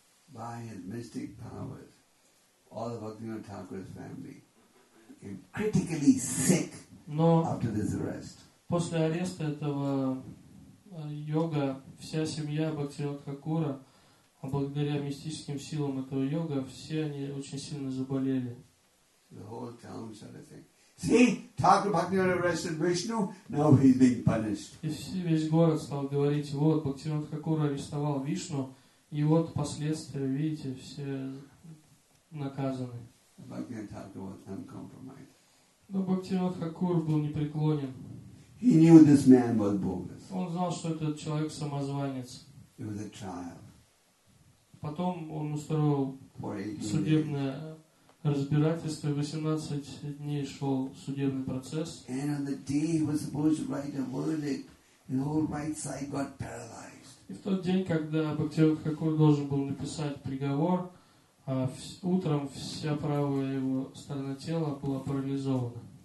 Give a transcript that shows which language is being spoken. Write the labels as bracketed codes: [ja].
[en] By his mystic powers, all of Bhaktivinoda Thakur's family became critically sick after this arrest. [ru] После ареста этого йога вся семья Бхактивинода Тхакура, а благодаря мистическим силам этого йога, все они очень сильно заболели. [en] The whole town started saying, "See, Thakur Bhaktivinoda arrested Vishnu. Now he's being punished." [ru] И весь город стал говорить: "Вот Бхактивинода Тхакура арестовал Вишну, и вот последствия. Видите, все наказаны." [en] Bhaktivinoda Thakur was uncompromised. [ru] Но Бхактивинода Тхакур был непреклонен. [en] He knew this man was bogus. [ru] Он знал, что этот человек самозванец. [en] It was a trial. [ru] Потом он устроил судебное разбирательство, 18 дней шел судебный процесс. [en] And on the day he was supposed to write a verdict, his whole right side got paralyzed. [ru] И в тот день, когда Бхактивинода Тхакур должен был написать приговор, утром вся правая его сторона тела была парализована.